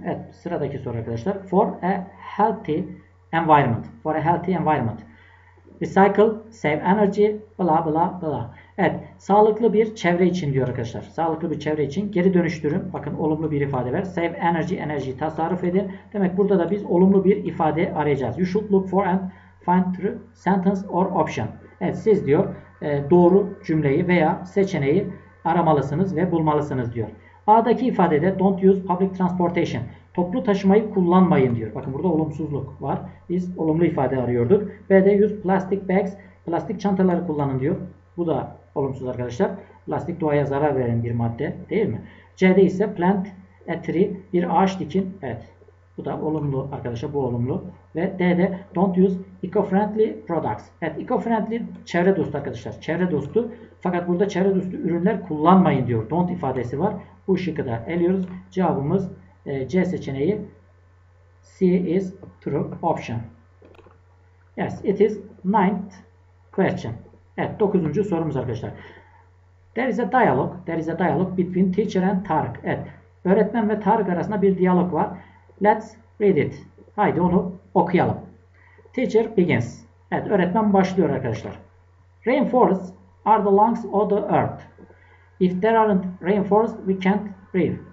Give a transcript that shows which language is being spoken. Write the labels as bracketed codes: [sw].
[tr] Evet, sıradaki soru arkadaşlar. [en] For a healthy environment. For a healthy environment. Recycle, save energy, bla bla bla. [tr] Evet, sağlıklı bir çevre için diyor arkadaşlar. Sağlıklı bir çevre için geri dönüştürün. Bakın olumlu bir ifade var. [en] Save energy, [tr] enerjiyi tasarruf edin. Demek burada da biz olumlu bir ifade arayacağız. [en] You should look for and find true sentence or option. [tr] Evet, siz diyor doğru cümleyi veya seçeneği aramalısınız ve bulmalısınız diyor. A'daki ifadede [en] don't use public transportation. [tr] Toplu taşımayı kullanmayın diyor. Bakın burada olumsuzluk var. Biz olumlu ifade arıyorduk. B'de [en] use plastic bags. [tr] Plastik çantaları kullanın diyor. Bu da olumsuz arkadaşlar. Plastik doğaya zarar veren bir madde değil mi? C'de ise [en] plant a tree. [tr] Bir ağaç dikin. Evet. Bu da olumlu arkadaşlar. Bu olumlu. Ve D'de [en] don't use eco-friendly products. [tr] Evet, eco-friendly çevre dostu arkadaşlar. Çevre dostu. Fakat burada çevre dostu ürünler kullanmayın diyor. Don't ifadesi var. Bu şıkkı da eliyoruz. Cevabımız C seçeneği. [en] C is true option. Yes, it is ninth question. [tr] Evet, dokuzuncu sorumuz arkadaşlar. [en] There is a dialogue. There is a dialogue between teacher and Tarık. [tr] Evet, öğretmen ve Tarık arasında bir diyalog var. [en] Let's read it. [tr] Haydi onu okuyalım. [en] Teacher begins. [tr] Evet, öğretmen başlıyor arkadaşlar. [en] Rainforests are the lungs of the earth. If there aren't rainforests, we can't breathe.